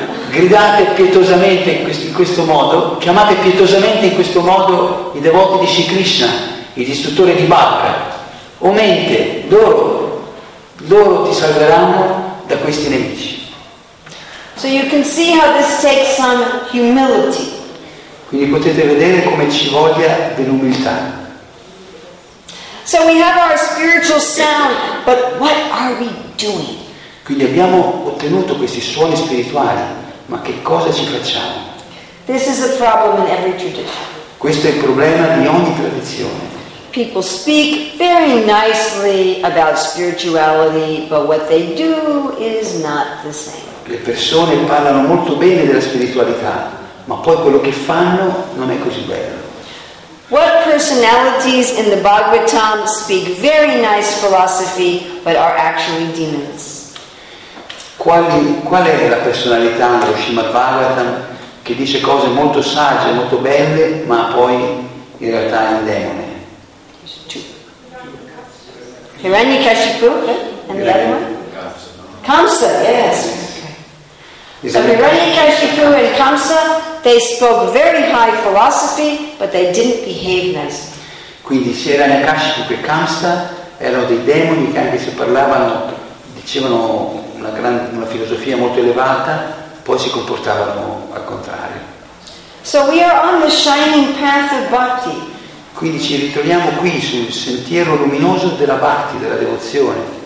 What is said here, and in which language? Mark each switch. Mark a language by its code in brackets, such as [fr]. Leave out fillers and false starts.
[it] Gridate pietosamente in questo modo, chiamate pietosamente in questo modo i devoti di Sri Krishna, il distruttore di Bhakta. O mente, loro ti salveranno da questi nemici. [en] So you can see how this takes some humility. [it] Quindi potete vedere come ci voglia dell'umiltà. [en] So we have our spiritual sound, but what are we doing? [it] Quindi abbiamo ottenuto questi suoni spirituali. Ma che cosa ci facciamo? [en] This is a problem in every tradition. [it] Questo è il problema di ogni tradizione. [en] People speak very nicely about spirituality, but what they do is not the same. [it] Le persone parlano molto bene della spiritualità, ma poi quello che fanno non è così bello. [en] What personalities in the Bhagavatam speak very nice philosophy, but are actually demons? [it] Qual è la personalità dello Srimad Bhagavatam che dice cose molto sagge, molto belle, ma poi in realtà è un demone? [en] Hiranyakashipu, okay. And the other one? Kamsa. Kamsa, yes. Okay. So Hiranyakashipu and Kamsa, they spoke very high philosophy, but they didn't behave nicely. [it] Quindi se Hiranyakashipu e Kamsa erano dei demoni che anche se parlavano, dicevano una filosofia molto elevata, poi si comportavano al contrario. [en] So we are on the shining path of bhakti. [it] Quindi ci ritroviamo qui sul sentiero luminoso della bhakti, della devozione.